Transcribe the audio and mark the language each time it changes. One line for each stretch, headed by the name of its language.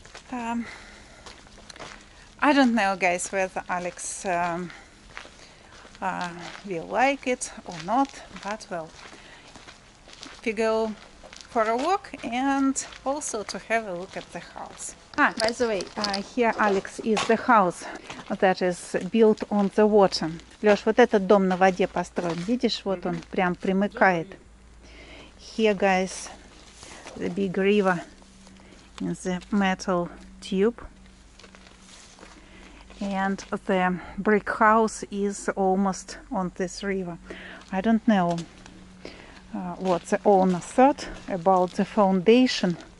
English: I don't know, guys, whether Alex will like it or not, but well. We go for a walk and also to have a look at the house. Ah, by the way, here, Alex, is the house that is built on the water.
Russian: Лёш, вот этот дом на воде построен. Видишь, вот он прям примыкает.
English: Here, guys, the big river in the metal tube. And the brick house is almost on this river. I don't know what the owner thought about the foundation.